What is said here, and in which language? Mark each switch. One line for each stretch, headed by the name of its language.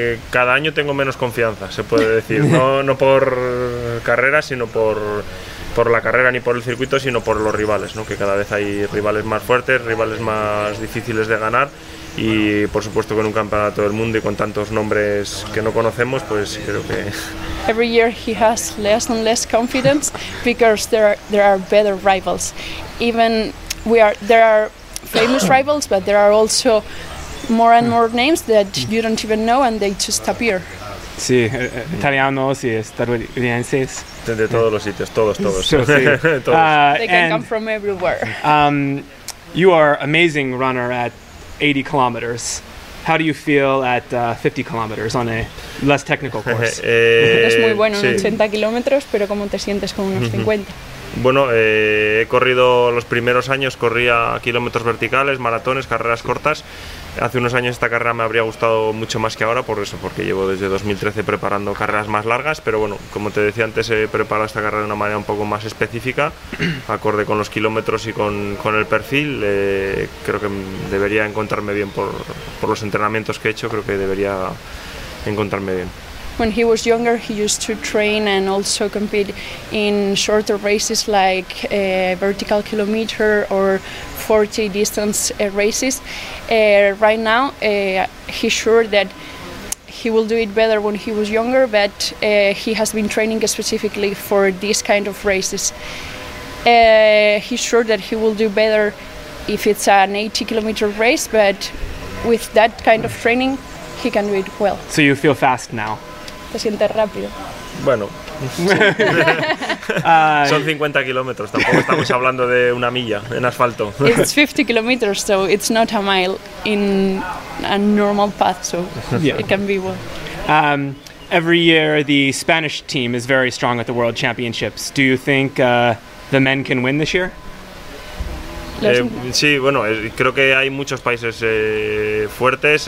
Spanish: Cada año tengo menos confianza, se puede decir. No por carrera, sino por la carrera ni por el circuito, sino por los rivales, ¿no? Que cada vez hay rivales más fuertes, rivales más difíciles de ganar, y por supuesto con un campeonato del mundo y con tantos nombres que no conocemos, pues creo que
English: every year he has less and less confidence because there are better rivals. Even there are famous rivals, but there are also more and more names that you don't even know and they just appear.
Spanish: Sí, italianos y estadounidenses. De todos los sitios, todos. Sí.
English: They can come from everywhere. You are an amazing runner at 80 kilometers. How do you feel at 50 kilómetros on a less technical course?
Spanish: Eres muy bueno en 80 kilómetros, pero ¿cómo te sientes con unos 50? Bueno, he corrido los primeros años, corría kilómetros verticales, maratones, carreras cortas. Hace unos años esta carrera me habría gustado mucho más que ahora, por eso, porque llevo desde 2013 preparando carreras más largas, pero bueno, como te decía antes, he preparado esta carrera de una manera un poco más específica, acorde con los kilómetros y con el perfil. Creo que debería encontrarme bien por los entrenamientos que he hecho, creo que debería encontrarme bien.
English: when he was younger, he used to train and also compete in shorter races like vertical kilometer or 40 distance races. Right now, he's sure that he will do it better when he was younger, but he has been training specifically for these kind of races. He's sure that he will do better if it's an 80 kilometer race, but with that kind of training, he can do it well. So you feel fast now?
Spanish: Te sientes rápido. Bueno, sí. Son 50 kilómetros, tampoco estamos hablando de una milla en asfalto.
English: It's 50 kilometers, so it's not a mile in a normal path, so yeah. It can be well. Every year, the Spanish team is very strong at the World Championships. Do you think the men can win this year?
Spanish: Sí, bueno, creo que hay muchos países fuertes.